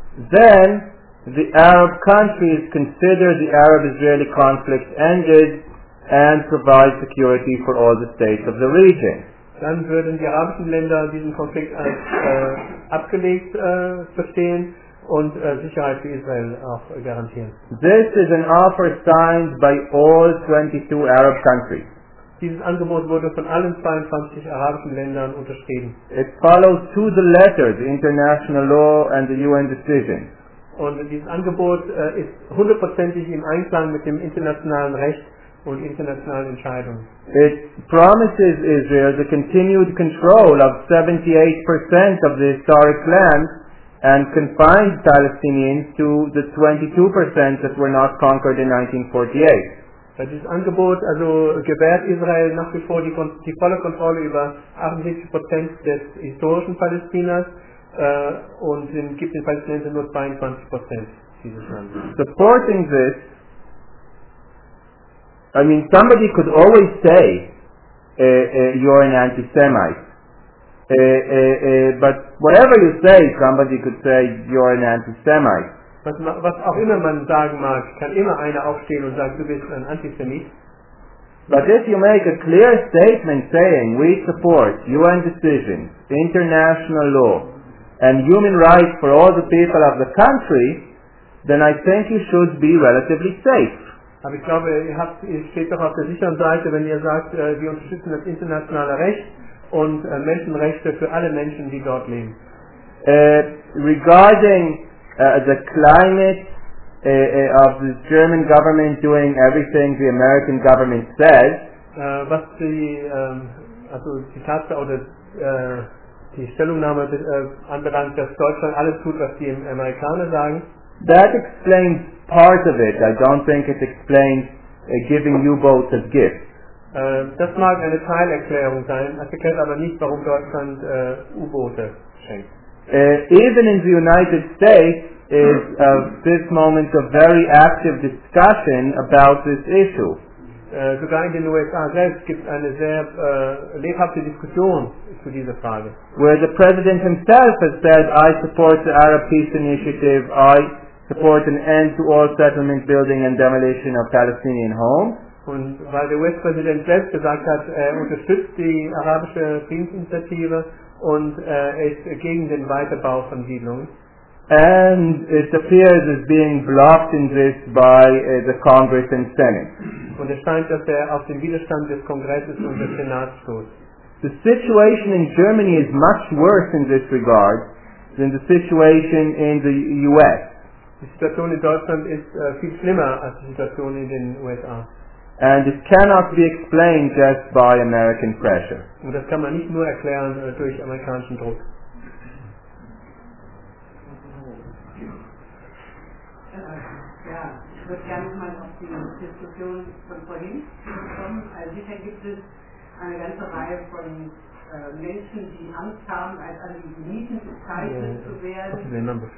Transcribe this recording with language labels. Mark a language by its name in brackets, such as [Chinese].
[English] then the Arab countries consider the Arab-Israeli conflict ended and provide security for all the states of the region. [German] Dann würden die arabischen Länder diesen Konflikt als abgelegt verstehen und Sicherheit für Israel auch garantieren. [English] This is an offer signed by all 22 Arab countries. [German] Dieses Angebot wurde von allen 22 arabischen Ländern unterschrieben. [English] It follows to the letter the international law and the UN decision. [German] Und dieses Angebot ist hundertprozentig im Einklang mit dem internationalen Recht und internationalen Entscheidungen. [English] It promises Israel the continued control of 78% of the historic land and confines Palestinians to the 22% that were not conquered in 1948. [German] Dieses Angebot also gewährt Israel nach wie vor die volle Kontrolle über 78% des historischen Palästinas und gibt den Palästinensern nur 22% dieses Landes. [English] Supporting this, I mean, somebody could always say you're an anti-Semite. But whatever you say, somebody could say you're an anti-Semite. [German] Was auch immer man sagen mag, kann immer einer aufstehen und sagen, du bist ein Antisemit. [English] But if you make a clear statement saying, we support UN decisions, international law, and human rights for all the people of the country, then I think you should be relatively safe. [German] Aber ich glaube, ihr steht doch auf der sicheren Seite, wenn ihr sagt, wir unterstützen das internationale Recht und Menschenrechte für alle Menschen, die dort leben. [English] Regarding the climate of the German government doing everything the American government says. [German] Was die also die Tatsache oder die Stellungnahme anbelangt, dass Deutschland alles tut, was die Amerikaner sagen. [English] That explains part of it. I don't think it explains giving U-boats as gifts. [German] Das mag eine Teilerklärung sein. Es erklärt aber nicht, warum Deutschland U-Boote schenkt. [English] Even in the United States is at this moment a very active discussion about this issue. [German] Sogar in den USA selbst gibt es eine sehr lebhafte Diskussion zu dieser Frage. [English] Where the president himself has said, I support the Arab Peace Initiative, I support an end to all settlement building and demolition of Palestinian homes. [German] Und weil der US-Präsident selbst gesagt hat, er unterstützt die arabische Friedensinitiative, und ist gegen den Weiterbau von Siedlungen. [English] And it appears as being blocked in this by the Congress and Senate. [German] Und es scheint, dass er auf den Widerstand des Kongresses und des Senats stoßt. [English] The situation in Germany is much worse in this regard than the situation in the US. [German] Die Situation in Deutschland ist viel schlimmer als die Situation in den USA. [English] And it cannot be explained just by American pressure. [German] Und das kann man nicht nur erklären durch amerikanischen Druck. Ja, ich würde gerne mal auf die Diskussion von vorhin kommen. Also sicher gibt es eine ganze Reihe von Menschen, die Angst haben, als Antisemiten bezeichnet zu werden.